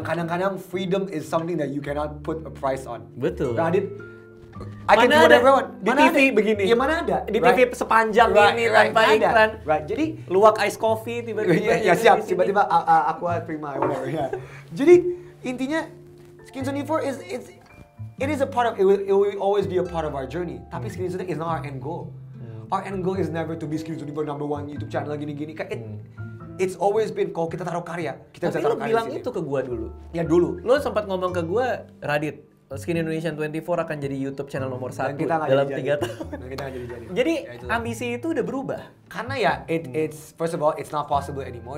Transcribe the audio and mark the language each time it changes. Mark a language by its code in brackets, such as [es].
[id] Yang kadang-kadang [en] freedom is something that you cannot put a price on. [id] Betul. [en] Radit I can do whatever I want. [id] Di TV begini. Ya mana ada? Di TV sepanjang ini tanpa iklan. [en] Right. Jadi [id] luak ice coffee tiba-tiba. Ya siap, tiba-tiba Aqua Prima. Jadi intinya [en] Skinny 24 it is a part of it will always be a part of our journey. Tapi Skinny 24 is not our end goal. Our end goal is never to be Skinny 24 number one YouTube channel gini-gini. It's always been [id] kalau kita taruh karya, kita bisa taruh karya. Tapi lu bilang itu ke gua dulu. Ya dulu. Lu sempat ngomong ke gua, Radit, Skinny Indonesia 24 akan jadi YouTube channel nomor 1 dalam 3 tahun. Dan kita nggak jadi-jadi. Jadi ambisi itu udah berubah. Karena ya, [en] it's first of all, it's not possible anymore.